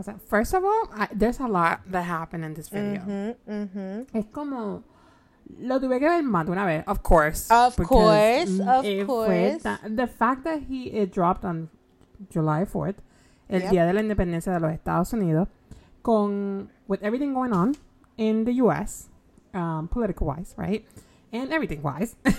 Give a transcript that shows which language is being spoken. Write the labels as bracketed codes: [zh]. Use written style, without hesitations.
[en] First of all, there's a lot that happened in this video. [es] Es como lo tuve que ver más de una vez, [en] of course. The fact that it dropped on July 4th, [es] el día de la independencia de los Estados Unidos, [en] with everything going on in the U.S., political wise, right? And everything wise.